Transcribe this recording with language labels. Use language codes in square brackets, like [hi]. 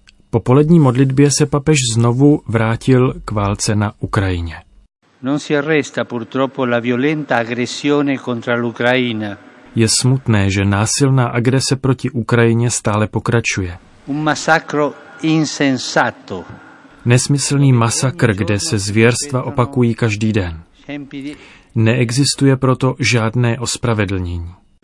[cs] Po polední modlitbě se papež znovu vrátil k válce na Ukrajině. [it] Non si arresta purtroppo la violenta aggressione contro l'Ucraina. [cs] Je smutné, že násilná agrese proti Ukrajině stále pokračuje. [it] Un massacro insensato. [cs] Nesmyslný masakr, kde se zvěrstva opakují každý den. Neexistuje proto žádné ospravedlnění.